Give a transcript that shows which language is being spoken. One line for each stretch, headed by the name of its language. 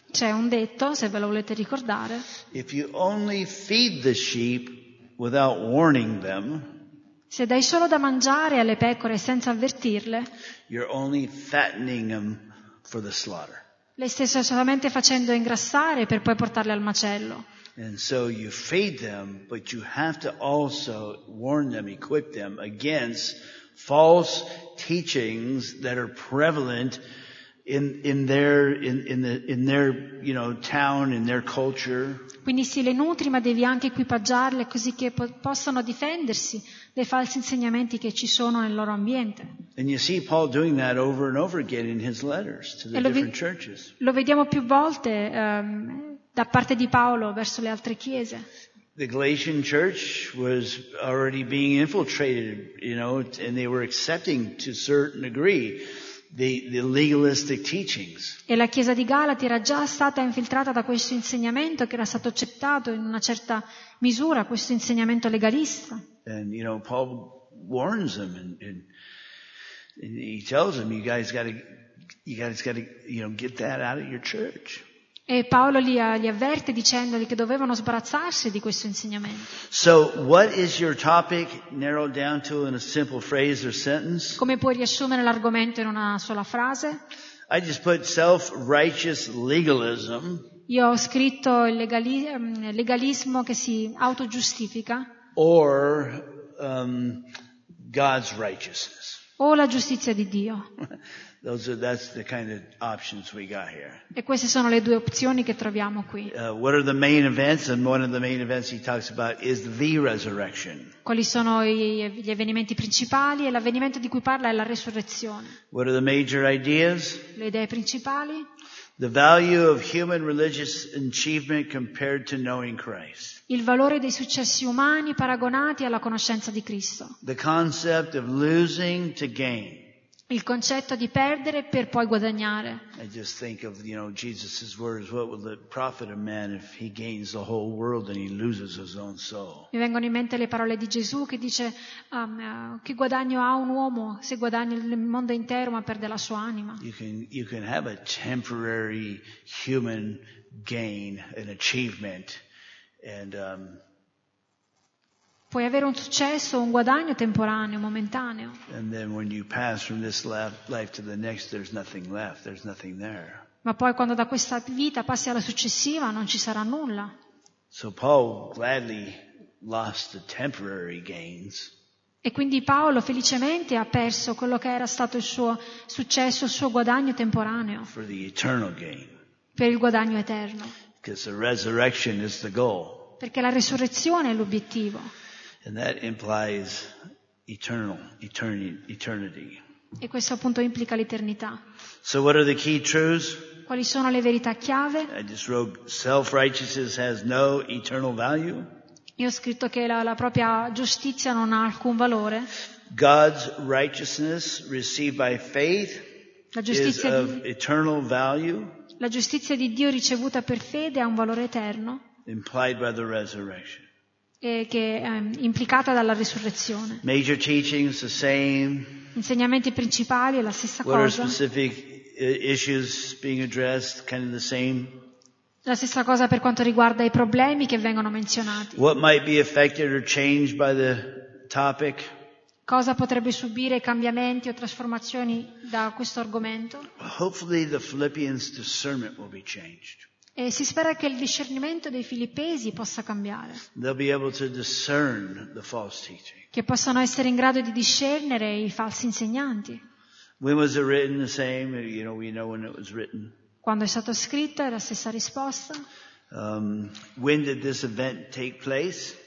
Italian: C'è un detto, se ve lo volete ricordare.
English: If you only feed the sheep without warning them.
Italian: Se dai solo da mangiare alle pecore senza avvertirle.
English: You're only fattening them for the slaughter.
Italian: Le stesse solamente facendo ingrassare per poi portarle al macello.
English: And so you feed them, but you have to also warn them, equip them against false teachings that are prevalent in their you know, town, in their culture.
Italian: Quindi sì, le nutri, ma devi anche equipaggiarle così che possano difendersi dei falsi insegnamenti che ci sono nel loro ambiente.
English: And you see Paul doing that over and over again in his letters to the different churches.
Italian: Lo vediamo più volte da parte di Paolo verso le altre chiese.
English: The Galatian church was already being infiltrated, you know, and they were accepting to a certain degree the legalistic teachings.
Italian: E la chiesa di Galati era già stata infiltrata da questo insegnamento che era stato accettato in una certa misura, questo insegnamento legalista.
English: And you know, Paul warns them and he tells them, you guys gotta, you know, get that out of your church.
Italian: E Paolo li avverte dicendogli che dovevano sbarazzarsi di questo insegnamento.
English: So, what is your topic narrowed down to in a simple phrase or sentence?
Italian: Come puoi riassumere l'argomento in una sola frase?
English: I just put self-righteous legalism.
Italian: Io ho scritto il legalismo che si autogiustifica.
English: Or God's righteousness.
Italian: O la giustizia di Dio.
English: That's the kind of options we got here.
Italian: E queste sono le due opzioni che troviamo qui.
English: What are the main events? And one of the main events he talks about is the resurrection.
Italian: Quali sono gli avvenimenti principali? E l'avvenimento di cui parla è la resurrezione.
English: What are the major ideas?
Italian: Le idee principali?
English: The value of human religious achievement compared to knowing Christ.
Italian: Il valore dei successi umani paragonati alla conoscenza di Cristo.
English: The concept of losing to gain.
Italian: Il concetto di perdere per poi guadagnare.
English: I just think of, you know, Jesus' words, what will it profit a man if he gains the whole world and he loses his own soul?
Italian: Mi vengono in mente le parole di Gesù che dice che guadagno ha un uomo se guadagna il mondo intero ma perde la sua anima.
English: You can have a temporary human gain, an achievement, and
Italian: puoi avere un successo, un guadagno temporaneo, momentaneo.
English: And then when you pass from this life to the next, there's nothing left, there's nothing there.
Italian: Ma poi quando da questa vita passi alla successiva, non ci sarà nulla.
English: So Paul gladly lost the temporary gains.
Italian: E quindi Paolo felicemente ha perso quello che era stato il suo successo, il suo guadagno temporaneo.
English: For the eternal gain.
Italian: Per il guadagno eterno.
English: Because the resurrection is the goal.
Italian: Perché la resurrezione è l'obiettivo.
English: And that implies eternity.
Italian: E questo appunto implica l'eternità.
English: So what are the key truths?
Italian: Quali sono le verità chiave?
English: I just wrote self-righteousness has no eternal value.
Italian: Io ho scritto che la propria giustizia non ha alcun valore.
English: God's righteousness received by faith. is of eternal value.
Italian: La giustizia di Dio ricevuta per fede ha un valore eterno.
English: Implied by the resurrection.
Italian: E che è implicata dalla risurrezione.
English: Major teachings the same.
Italian: Insegnamenti principali è la stessa cosa.
English: What are specific issues being addressed? Kind of the same.
Italian: La stessa cosa per quanto riguarda i problemi che vengono menzionati.
English: What might be affected or changed by the topic?
Italian: Cosa potrebbe subire cambiamenti o trasformazioni da questo argomento?
English: Hopefully the Philippians' discernment will be changed.
Italian: E si spera che il discernimento dei filippesi possa cambiare.
English: They'll be able to discern the false teaching.
Italian: Che possano essere in grado di discernere i falsi insegnanti.
English: When was it written the same? You know, we know when it was written.
Italian: Quando è stato scritto è la stessa risposta.
English: When did this event take place?